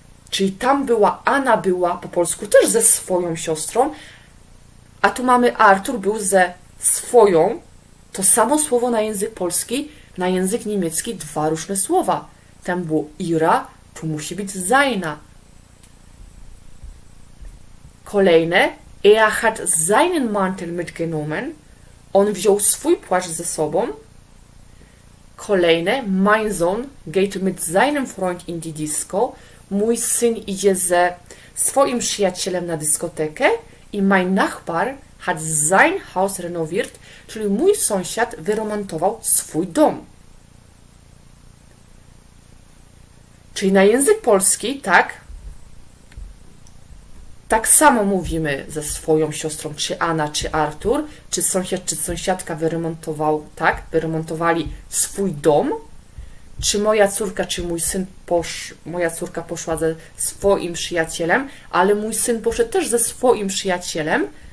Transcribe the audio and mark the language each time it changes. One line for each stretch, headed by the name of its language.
Polish: Czyli tam była Anna, była po polsku też ze swoją siostrą, a tu mamy Arthur był ze swoją, to samo słowo na język polski, na język niemiecki, dwa różne słowa. Tam było ihra, tu musi być seina. Kolejne.
German: Er hat seinen Mantel mitgenommen.
Polish: On wziął swój płaszcz ze sobą. Kolejne.
German: Mein Sohn geht mit seinem Freund in die Disco.
Polish: Mój syn idzie ze swoim przyjacielem na dyskotekę.
German: I mein Nachbar hat sein Haus renoviert.
Polish: Czyli mój sąsiad wyremontował swój dom. Czyli na język polski, tak? Tak samo mówimy ze swoją siostrą, czy Anna, czy Arthur, czy sąsiad, czy sąsiadka wyremontował, tak, wyremontowali swój dom, czy moja córka, czy mój syn, moja córka poszła ze swoim przyjacielem, ale mój syn poszedł też ze swoim przyjacielem,